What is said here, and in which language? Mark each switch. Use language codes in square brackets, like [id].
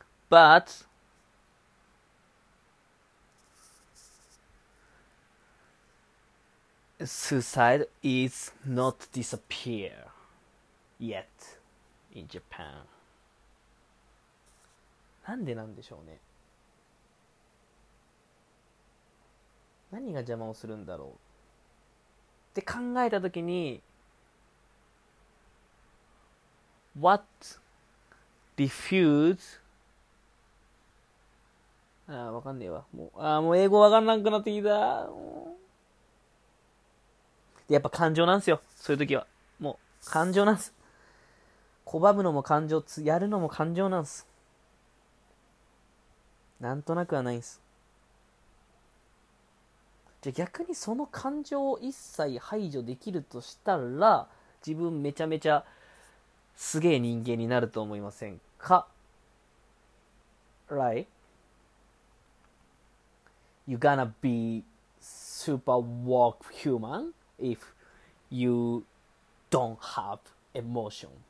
[en] But, suicide is not disappear yet in Japan. [ja] なんでなんでしょうね。何が邪魔をするんだろうって考えたときに、 [en] What diffuse? [ja] ああ、わかんねえわ。もう、ああ、もう英語わかんなくなってきた。で、やっぱ感情なんすよ。そういうときは。もう、感情なんす。拒むのも感情つ、やるのも感情なんす。なんとなくはないんす。じゃ、逆にその感情を一切排除できるとしたら、自分めちゃめちゃすげえ人間になると思いませんか？ [en] Right? You're gonna be super woke human if you don't have emotion.